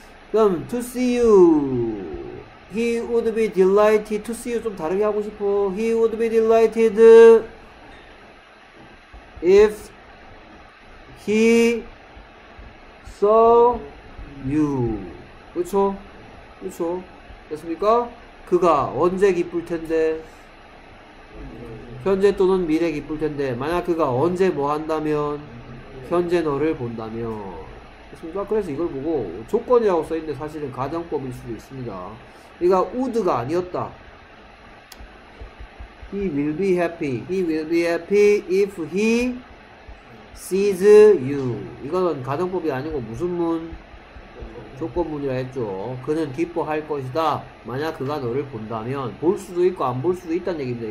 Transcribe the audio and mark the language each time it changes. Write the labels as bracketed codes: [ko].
[ko] 그럼 [en] to see you, he would be delighted to see you [ko] 좀 다르게 하고 싶어. [en] He would be delighted if he saw you. [ko] 그렇죠, 그렇죠, 됐습니까? 그가 언제 기쁠 텐데? 현재 또는 미래 기쁠 텐데 만약 그가 언제 뭐 한다면? 현재 너를 본다면. 그래서 이걸 보고 조건이라고 써있는데 사실은 가정법일 수도 있습니다. 그러니까 would가 아니었다. [en] He will be happy. He will be happy if he sees you. [ko] 이거는 가정법이 아니고 무슨 문? 조건문이라 했죠. 그는 기뻐할 것이다. 만약 그가 너를 본다면. 볼 수도 있고 안 볼 수도 있다는 얘기입니다.